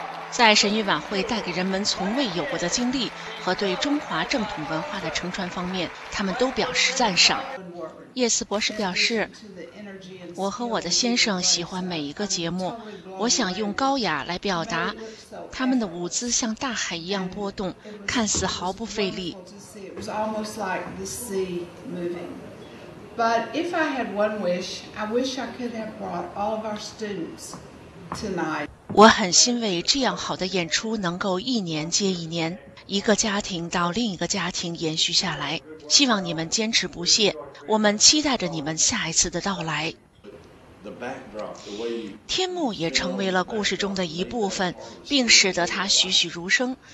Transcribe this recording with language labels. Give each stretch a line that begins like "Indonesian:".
Chinese: 在神韵晚会带给人们从未有过的经历和对中华正统文化的承传方面，他们都表示赞赏。叶斯博士表示，我和我的先生喜欢每一个节目，我想用高雅来表达，他们的舞姿像大海一样波动，看似毫不费力。
English: But if I had one wish, I wish I could have brought all of our students tonight.
Chinese: 我很欣慰这样好的演出能够一年接一年，一个家庭到另一个家庭延续下来，希望你们坚持不懈，我们期待着你们下一次的到来。天幕也成为了故事中的一部分，并使得它栩栩如生。